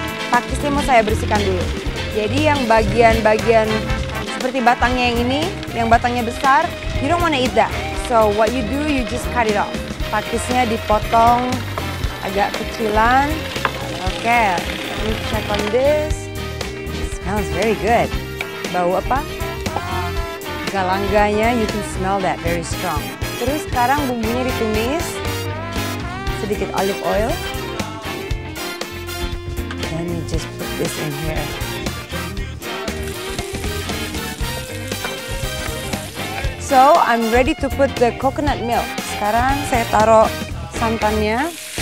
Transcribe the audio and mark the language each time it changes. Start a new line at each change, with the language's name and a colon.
Indonesian: Pakisnya mau saya bersihkan dulu. Jadi yang bagian-bagian seperti batangnya yang ini, yang batangnya besar, you don't wanna eat that.
English: So what you do, you just cut it off.
Indonesian: Pakisnya dipotong agak kecilan.
English: Oke, okay, let me check on this. Smells very good. Bau apa? Galangganya, you can smell that very strong. Terus sekarang bumbunya ditumis. Sedikit olive oil. Then you just put this in here. So, I'm ready to put the coconut milk.
Indonesian: Sekarang saya taruh santannya.